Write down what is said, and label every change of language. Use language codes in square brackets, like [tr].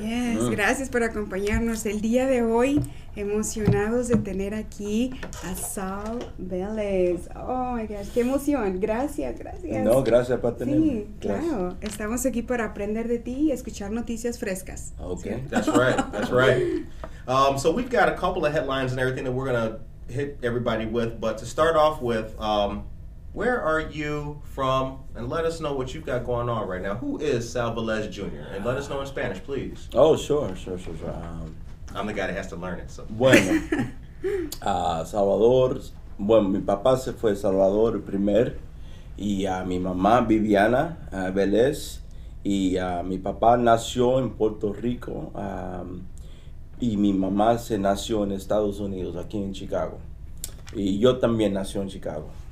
[es] Yes, gracias por acompañarnos el día de hoy. Emocionados de tener aquí a Sal Velez. Oh my gosh, qué emoción. Gracias. No, gracias por tenerme. Sí, claro. Estamos aquí para aprender de ti y escuchar noticias frescas. [en] Okay, that's right. So we've got a couple of headlines and everything that we're going to hit everybody with. But to start off with, where are you from? And let us know what you've got going on right now. Who is Sal Velez Jr.? And let us know in Spanish, please. Oh, sure. I'm the guy that has to learn it. So. [es] Bueno, Salvador. Bueno, mi papá se fue Salvador primer, y mi mamá Viviana Velez, y mi papá nació en Puerto Rico, y mi mamá se nació en Estados Unidos, aquí en Chicago, y yo también nací en Chicago.